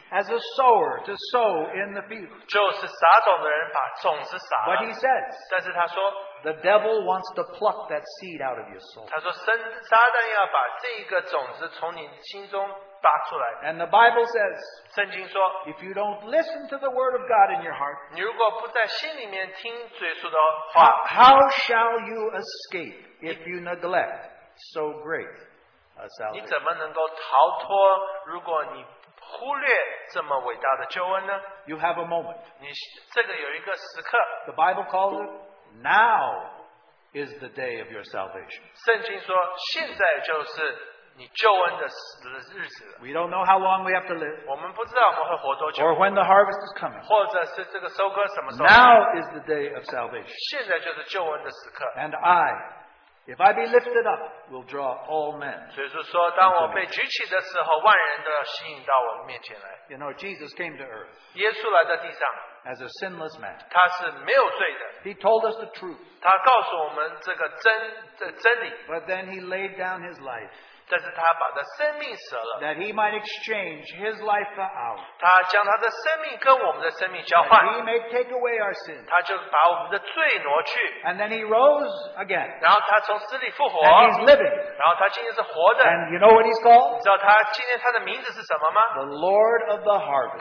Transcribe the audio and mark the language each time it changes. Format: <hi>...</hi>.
<en>as a sower to sow in the field.</en> <zh>就是撒种的人把种子撒了</zh> <en>But he says,</en> <zh>但是他说</zh> <en>the devil wants to pluck that seed out of your soul.</en> <zh>他说撒旦要把这个种子从你心中拔出来</zh> <en>And the Bible says,</en> <zh>圣经说</zh> <en>if you don't listen to the word of God in your heart,</en> <zh>你如果不在心里面听耶稣的话</zh> <en>how shall you escape if you neglect so great?</en> <zh>你怎么能够逃脱如果你忽略这么伟大的救恩呢</zh> <en>You have a moment.</en> <zh>你这个有一个时刻</zh> <en>The Bible calls it, now is the day of your salvation.</en> <zh>圣经说现在就是你救恩的日子了</zh> <en>We don't know how long we have to live.</en> <zh>我们不知道我们会活多久</zh> <en>Or when the harvest is coming.</en> <zh>或者是这个收割什么时候</zh> <en>Now is the day of salvation.</en> <zh>现在就是救恩的时刻</zh> <en>And I,If I be lifted up, will draw all men.</en> <zh>所以说，当我被举起的时候，万人都要吸引到我面前来。</zh> <en>You know, Jesus came to earth.</en> <zh>耶稣来到地上。</zh> <en>As a sinless man.</en> <zh>他是没有罪的。</zh> <en>He told us the truth.</en> <zh>他告诉我们这个真理。</zh> <en>But then he laid down his life.</en> <zh>但是他把他生命舍了。</zh> <en>That he might exchange his life for ours.</en> <zh>他将他的生命跟我们的生命交换。</zh> <en>He may take away our sin.</en> <zh>他就把我们的罪挪去。</zh> <en>And then he rose again.</en> <zh>然后他从死里复活。</zh> <en>And he's living.</en> <zh>然后他今天是活的。</zh> <en>And you know what he's called?</en> <zh>你知道他今天他的名字是什么吗</zh> <en>？The Lord of the Harvest.</en>